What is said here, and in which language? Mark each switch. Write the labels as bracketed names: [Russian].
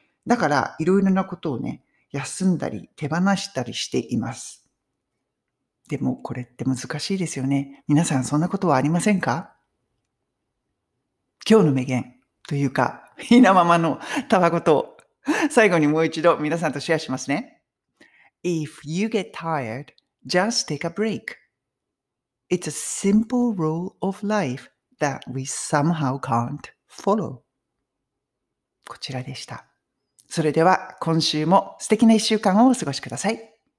[Japanese] だからいろいろなことをね、休んだり手放したりしています。でもこれって難しいですよね。皆さんそんなことはありませんか？今日の名言というか、ひなままのたわごと、最後にもう一度皆さんとシェアしますね。 [English] If you get tired, just take a break. It's a simple rule of life that we somehow can't follow. [Japanese] こちらでした。それでは今週も素敵な一週間をお過ごしください。